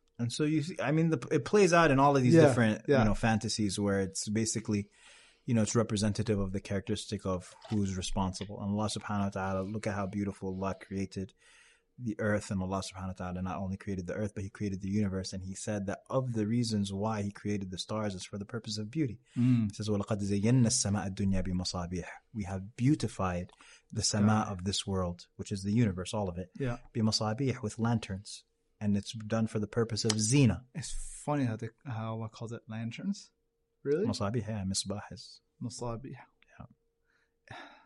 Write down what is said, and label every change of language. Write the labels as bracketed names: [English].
[English] And so you see, I mean, it plays out in all of these you know, fantasies where it's basically – you know, it's representative of the characteristic of who's responsible. And Allah subhanahu wa ta'ala, look at how beautiful Allah created the earth. And Allah subhanahu wa ta'ala not only created the earth, but he created the universe. And he said that of the reasons why he created the stars is for the purpose of beauty. He says, [Arabic] وَلَقَدْ زَيَّنَّا السَّمَاءَ الدُّنْيَا بِمَصَابِيحَ. [English] We have beautified the sama of this world, which is the universe, all of it, بِمَصَابِيحَ, with lanterns. And it's done for the purpose of zina. It's funny how Allah calls it lanterns. Really? Masabih, yeah, misbahis. Masabih. Yeah.